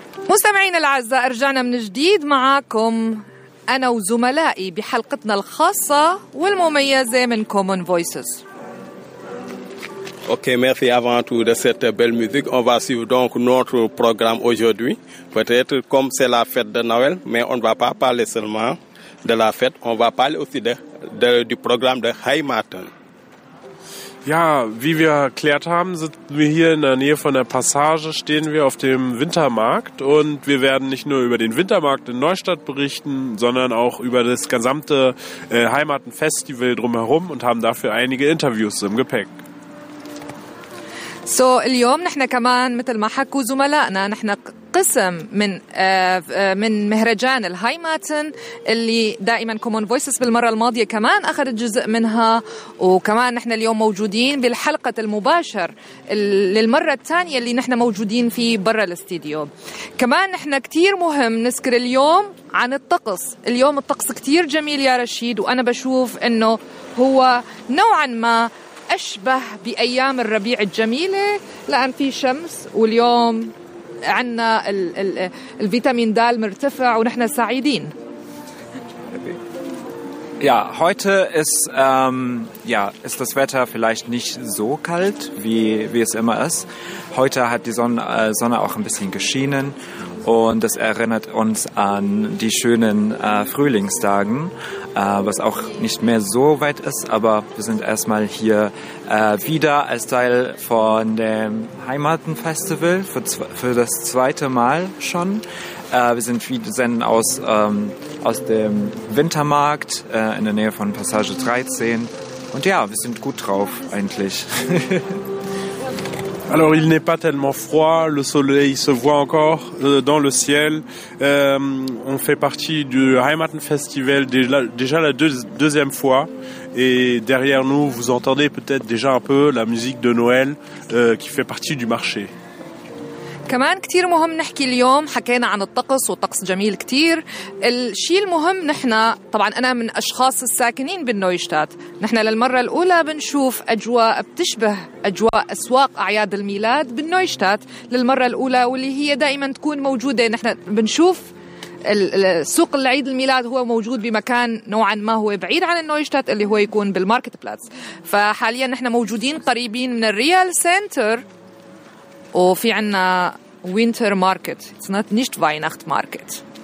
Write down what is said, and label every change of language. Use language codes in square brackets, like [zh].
[ar] مستمعين الأعزاء، رجعنا من جديد معاكم أنا وزملائي بحلقتنا الخاصة والمميزة من Common Voices. [fr] Ok, merci avant tout de cette belle musique. On va suivre donc notre programme aujourd'hui. Peut-être comme c'est la fête de Noël, mais on ne va pas parler seulement de la fête. On va parler aussi du programme de High Martin. [de] Ja, wie wir erklärt haben, sitzen wir hier in der Nähe von der Passage, stehen wir auf dem Wintermarkt und wir werden nicht nur über den Wintermarkt in Neustadt berichten, sondern auch über das gesamte Heimatenfestival drumherum und haben dafür einige Interviews im Gepäck. [ar] So, اليوم نحن كمان مثل ما حكوا زملائنا نحن قسم من مهرجان الهايماتن اللي دائما Common Voices بالمرة الماضية كمان أخذت جزء منها وكمان نحن اليوم موجودين بالحلقة المباشر للمرة الثانية اللي نحن موجودين فيه برا الاستديو. كمان نحن كتير مهم نذكر اليوم عن الطقس. اليوم الطقس كتير جميل يا رشيد وأنا بشوف إنه هو نوعا ما أشبه بأيام الربيع الجميلة لأن في شمس واليوم عندنا الفيتامين د مرتفع ونحن سعيدين. [de] Ja, heute ist ist das Wetter vielleicht nicht so kalt wie es immer ist. Heute hat die Sonne auch ein bisschen geschienen und das erinnert uns an die schönen Frühlingstagen, was auch nicht mehr so weit ist, aber wir sind erstmal hier wieder als Teil von dem Heimatenfestival für das zweite Mal schon. Wir sind wieder senden aus dem Wintermarkt in der Nähe von Passage 13 und ja, wir sind gut drauf eigentlich. [fr] Alors il n'est pas tellement froid, le soleil se voit encore dans le ciel. On fait partie du Heimatenfestival déjà la deuxième fois et derrière nous vous entendez peut-être déjà un peu la musique de Noël qui fait partie du marché. [ar] كمان كتير مهم نحكي اليوم حكينا عن الطقس وطقس جميل كتير الشيء المهم نحنا طبعا أنا من أشخاص الساكنين بالنويشتات نحنا للمرة الأولى بنشوف أجواء بتشبه أجواء أسواق أعياد الميلاد بالنويشتات للمرة الأولى واللي هي دائما تكون موجودة نحنا بنشوف السوق العيد الميلاد هو موجود بمكان نوعا ما هو بعيد عن النويشتات اللي هو يكون بالماركت بلاتس فحاليا نحنا موجودين قريبين من الريال سنتر وفي عنا Winter Market. [en] It's not [de] nicht Weihnachtsmarkt.